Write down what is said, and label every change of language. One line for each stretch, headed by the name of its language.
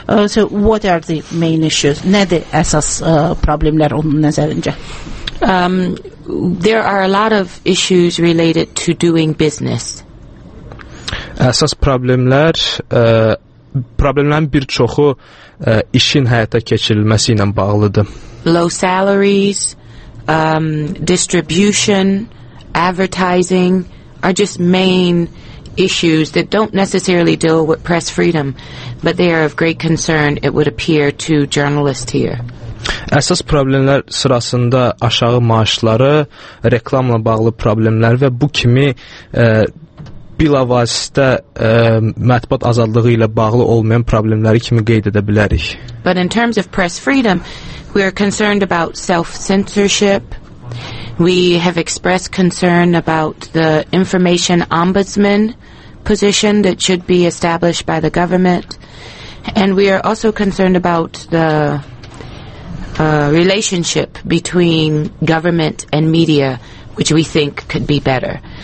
English: So what are the main issues?
Azerbaijani: Nədir əsas problemlər onun nəzərincə?
English: There are a lot of issues related to doing business.
Azerbaijani: Əsas problemlər problemlərin bir çoxu işin həyata keçirilməsi ilə bağlıdır.
English: Low salaries, distribution, advertising are just main issues that don't necessarily deal with press freedom, but they are of great concern, it would appear, to journalists here.
Azerbaijani: Əsas problemlər sırasında aşağı maaşları, reklamla bağlı problemlər və bu kimi bilavasitə mətbuat azadlığı ilə bağlı olmayan problemləri kimi qeyd edə bilərik.
English: But in terms of press freedom, we are concerned about self-censorship. We have expressed concern about the information ombudsman position that should be established by the government. And we are also concerned about the relationship between government and media, which we think could be better.